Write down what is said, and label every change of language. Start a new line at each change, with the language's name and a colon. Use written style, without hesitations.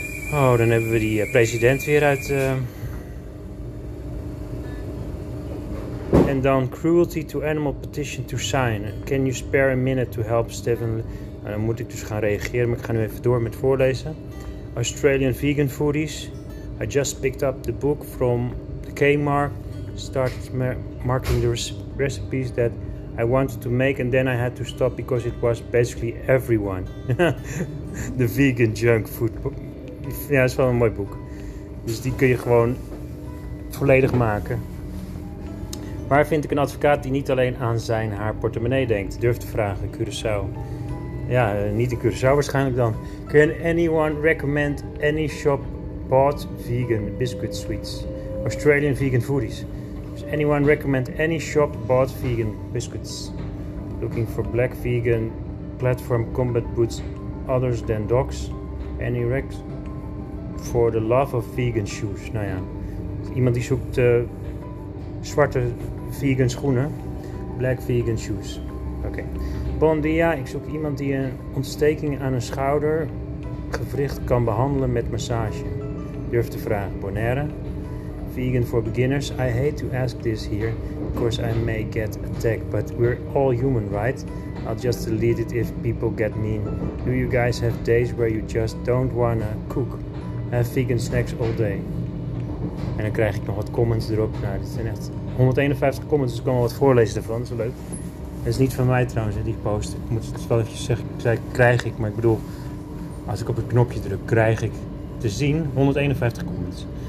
Dutch: Oh, dan hebben we die president weer uit. En dan
English: cruelty to animal petition to sign. Can you spare a minute to help Steven?
Dutch: Dan moet ik dus gaan reageren, maar ik ga nu even door met voorlezen.
English: Australian vegan foodies. I just picked up the book from the Kmart. Started marking the recipes that I wanted to make. And then I had to stop because it was basically everyone. The vegan junk food book.
Dutch: Ja, dat is wel een mooi boek. Dus die kun je gewoon volledig maken. Waar vind ik een advocaat die niet alleen aan zijn haar portemonnee denkt? Durf te vragen, Curaçao. Ja, niet in Curaçao waarschijnlijk dan.
English: Can anyone recommend any shop bought vegan biscuit sweets? Australian vegan foodies. Does anyone recommend any shop bought vegan biscuits? Looking for black vegan platform combat boots others than dogs? Any recs? For the love of vegan shoes.
Dutch: Nou ja, iemand die zoekt zwarte vegan schoenen.
English: Black vegan shoes.
Dutch: Oké. Bon dia, ik zoek iemand die een ontsteking aan een schouder gewricht kan behandelen met massage. Durf te vragen. Bonaire.
English: Vegan for beginners. I hate to ask this here. Of course I may get attacked, but we're all human, right? I'll just delete it if people get mean. Do you guys have days where you just don't wanna cook? Have vegan snacks all day.
Dutch: En dan krijg ik nog wat comments erop. Nou, dit zijn echt 151 comments, dus ik kan wel wat voorlezen ervan. Dat is leuk. Dat is niet van mij trouwens, die post. Ik moet het wel even zeggen, krijg ik. Maar ik bedoel, als ik op het knopje druk, krijg ik te zien 151 comments.